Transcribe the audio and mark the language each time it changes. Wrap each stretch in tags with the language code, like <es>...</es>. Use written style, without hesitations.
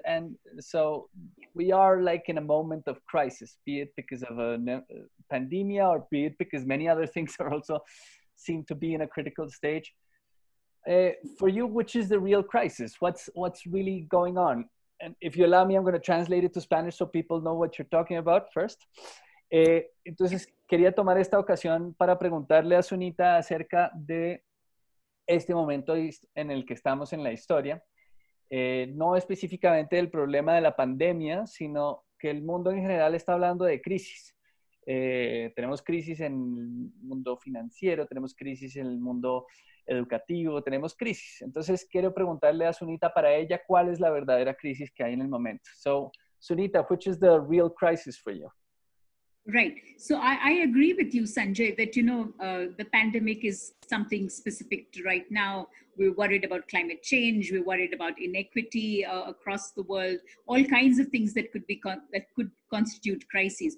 <en>And so we are like in a moment of crisis, be it because of a pandemia or be it because many other things are also seem to be in a critical stage. For you, which is the real crisis? What's really going on? And if you allow me, I'm going to translate it to Spanish so people know what you're talking about first.</en> <es>Entonces, quería tomar esta ocasión para preguntarle a Sunita acerca de este momento en el que estamos en la historia. No específicamente del problema de la pandemia, sino que el mundo en general está hablando de crisis. Tenemos crisis en el mundo financiero, tenemos crisis en el mundo educativo, tenemos crisis. Entonces, quiero preguntarle a Sunita para ella cuál es la verdadera crisis que hay en el momento.</es> <en>So, Sunita, which is the real crisis for you? Right. So, I agree with you, Sanjay, that, you know, the pandemic is something specific to right now. We're worried about climate change. We're worried about inequity across the world, all kinds of things that could be that could constitute crises.</en>